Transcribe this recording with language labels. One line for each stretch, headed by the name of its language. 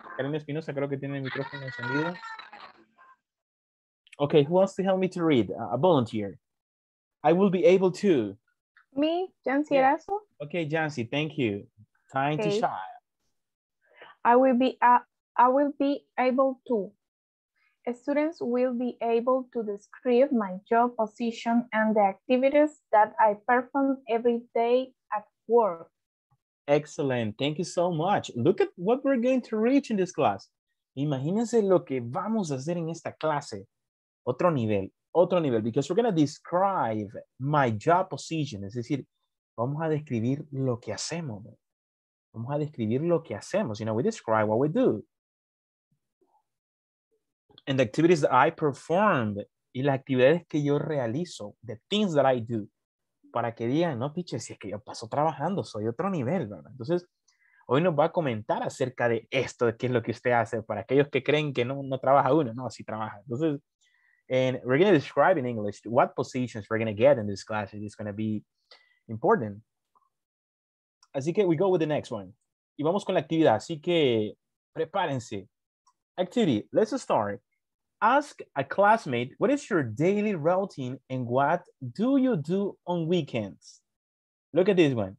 Spanish: Karina Espinosa, creo que tiene el micrófono encendido.
English: Okay, who wants to help me to read? A volunteer. I will be able to. Me, Yancy Erazo. Okay, Yancy, thank you. Time to shine. I will be able to. Students will be able to describe my job position and the activities that I perform every day at work. Excellent. Thank you so much. Look at what we're going to reach in this class.
Spanish: Imagínense lo que vamos a hacer en esta clase. Otro nivel,
English: because we're going to describe my job position.
Spanish: Es decir, vamos a describir lo que hacemos. Vamos a describir lo que hacemos.
English: You know, we describe what we do. And the activities that I performed,
Spanish: y las actividades que yo realizo,
English: the things that I do,
Spanish: para que digan, no, piche, si es que yo paso trabajando, soy otro nivel, ¿verdad? Entonces, hoy nos va a comentar acerca de esto, de qué es lo que usted hace, para aquellos que creen que no trabaja uno, no, sí trabaja.
English: Entonces, and we're going to describe in English what positions we're going to get in this class. It's going to be important.
Spanish: Así que
English: we go with the next one.
Spanish: Y vamos con la actividad. Así que prepárense.
English: Activity. Let's start. Ask a classmate, what is your daily routine and what do you do on weekends? Look at this one.